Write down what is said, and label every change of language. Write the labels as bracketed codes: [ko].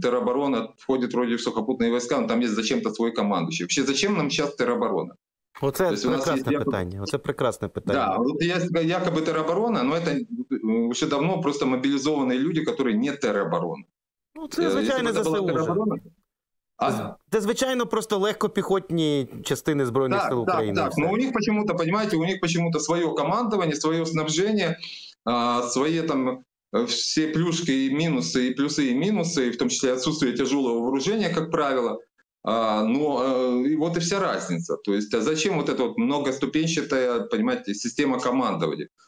[ru] Тероборона входит вроде в сухопутные войска, но там есть зачем-то свой командующий. Вообще, зачем нам сейчас тероборона? Вот это прекрасное питание. Вот это прекрасное питание. Да, вот есть якобы тероборона, но это уже давно просто мобилизованные люди, которые не тероборона. [uk] Ну, це, звичайно, это, звичайно, ЗСУ. Це, звичайно, просто легкопіхотні частини Збройних сил України. Так, так, так. [ru] Но у них почему-то, понимаете, у них почему-то свое командование, свое снабжение, свои там... все плюшки и минусы, и плюсы и минусы, и в том числе отсутствие тяжелого вооружения, как правило. И вот и вся разница. То есть, а зачем вот эта вот многоступенчатая, понимаете, система командования?